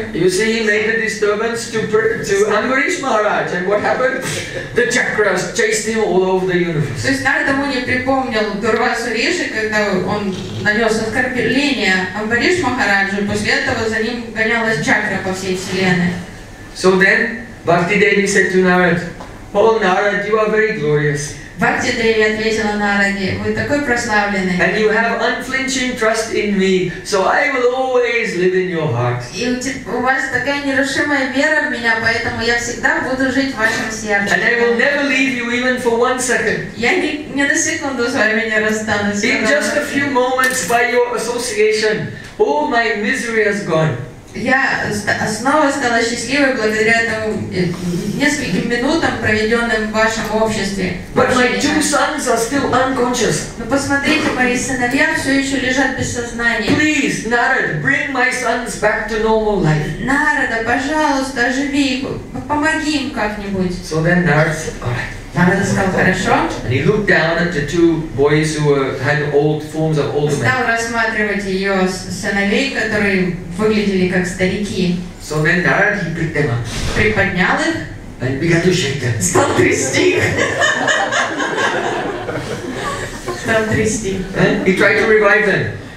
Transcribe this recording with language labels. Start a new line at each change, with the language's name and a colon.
English: You see, he made a disturbance to Ambarish Maharaj, and what happened? The chakras chased him all over the universe.
Russian: То есть Нарада Муни припомнил Дурвасу Риши, когда он нанес оскорбление Амбариш Махараджу, после этого за ним гонялась чакра по всей вселенной.
English: So then Bhakti Devi said to Narad, "Oh Narad, you are very glorious."
Russian: Бхакти Деви ответила Нараде, вы такой прославленный.
English: And you have unflinching trust in me, so I will always live in your heart.
Russian: И у вас такая нерушимая вера в меня, поэтому я всегда буду жить в вашем сердце.
English: And I will never leave you even for one second.
Russian: Я ни на секунду с вами не расстанусь.
English: In just a few moments by your association, all my misery has gone.
Russian: Я снова стала счастливой благодаря этому нескольким минутам, проведенным в вашем обществе.
English: But my two sons are still unconscious.
Russian: Но посмотрите, мои сыновья все еще лежат без сознания.
English: Please, Narad, bring my sons back to normal life.
Russian: Нарада, пожалуйста, оживи их, помоги им как-нибудь.
English: So then Narad said, all right.
Russian: Нарада сказал, хорошо.
English: And he looked down at the two boys who were kind of old forms of old men.
Russian: Стал рассматривать ее сыновей, которые выглядели как старики.
English: So then Narad, he picked them up.
Russian: Приподнял их.
English: And began to shake them.
Russian: Стал трясти. Стал трясти.
English: And he tried to revive them.